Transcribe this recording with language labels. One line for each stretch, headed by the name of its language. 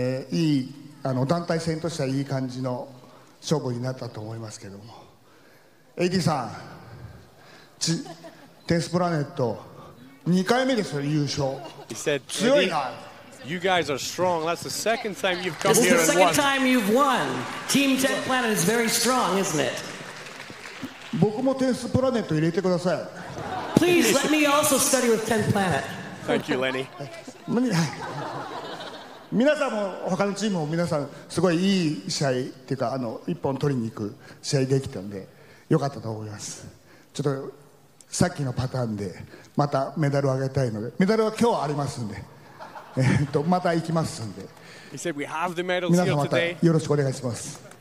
Japanese: いい団体戦としてはいい感じの勝負になったと思いますけども、 AD さん、テンスプラネット2回目ですよ、優勝。
English: He said,
Japanese: 強いな。
English: You guys are strong. That's the second time you've come here and won. This is the second time you've won. Team 10th Planet is very strong, isn't it?
Japanese: 僕もテンスプラネット入れてください。
English: Please let me also study with 10th Planet. Thank you, Lenny.
Japanese: 皆さんも他のチームも皆さんすごいいい試合っていうか一本取りに行く試合できたんで良かったと思います。ちょっとさっきのパターンでまたメダルをあげたいので、メダルは今日ありますんでまた行きますんで、皆さんまたよろしくお願いします。